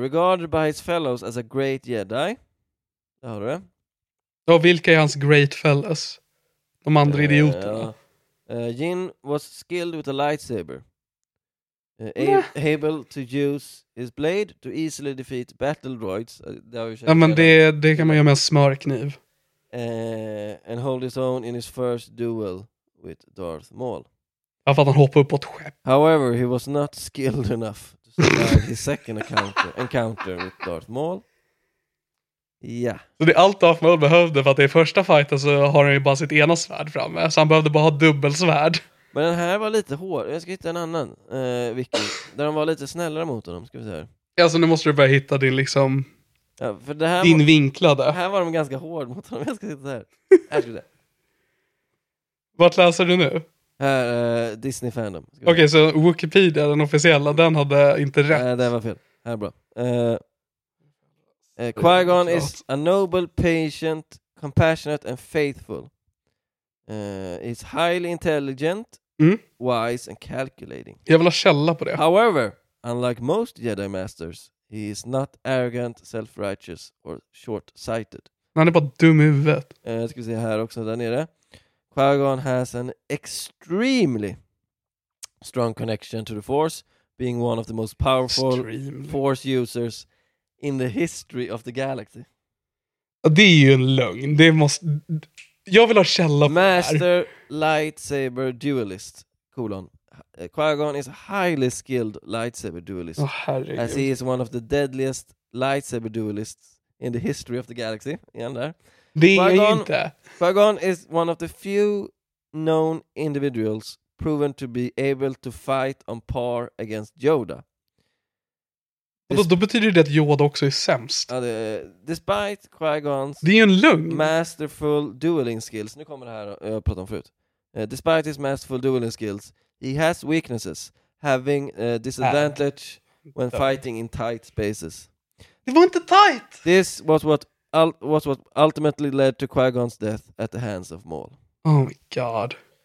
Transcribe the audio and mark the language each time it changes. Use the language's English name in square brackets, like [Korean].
[English] Regarded by his fellows as a great Jedi. [Swedish] Där har du det. Ja, vilka är hans [English] great fellows? [Swedish] De andra idioterna. Ja. [English] Jin was skilled with a lightsaber. Able to use his blade to easily defeat battle droids. [Swedish] Ja, men det kan man göra med en smörkniv. [English] And hold his own in his first duel with Darth Maul. [Swedish] Ja, för att han hoppade upp på ett skepp. [English] However, he was not skilled enough to survive his second encounter with Darth Maul. [Swedish] Ja. Så det är allt Darth Maul behövde, för att i första fighten så har han ju bara sitt ena svärd framme. Så han behövde bara ha dubbelsvärd. Men den här var lite hård. Jag ska hitta en annan. Vicky, där de var lite snällare mot honom, ska vi säga. Alltså nu måste du börja hitta din liksom... Ja, för det här din vinklade. Här var de ganska hård mot honom. Jag ska sitta så här. Vart läser du nu? Disney fandom. Okej, okay, så Wikipedia, den officiella, den hade inte rätt. Nej, det var fel. Här är bra. [English] Qui-Gon is a noble, patient, compassionate and faithful. He's highly intelligent, wise and calculating. [Swedish] Jag vill ha källa på det. [English] However, unlike most Jedi Masters, he is not arrogant, self-righteous or short-sighted. [Swedish] Han är bara dum i huvudet. Jag ska se här också, där nere. [English] Qui-Gon has an extremely strong connection to the Force, being one of the most powerful Force users in the history of the galaxy. [Swedish] Det är ju en lögn. Det måste... Jag vill ha källa på [English] Master [Swedish] det här. [English] Lightsaber duelist, colon. Qui-Gon is a highly skilled lightsaber duelist. [Swedish] Oh, herregud. [English] As he is one of the deadliest lightsaber duelists in the history of the galaxy. [Swedish] Igen där. Det är Qui-Gon, inte. [English] Qui-Gon is one of the few known individuals proven to be able to fight on par against Yoda. [Swedish] Då betyder det att Yoda också är sämst. Ja, det, [English] despite Qui-Gons [Swedish] det är en lugn. [English] Masterful dueling skills. [Swedish] Nu kommer det här jag har pratat om förut. [English] Despite his masterful dueling skills, he has weaknesses, having disadvantage when fighting in tight spaces. [Swedish] Det var inte tight. [English] This was what ultimately led to Qui-Gon's death at the hands of Maul. Oh my god.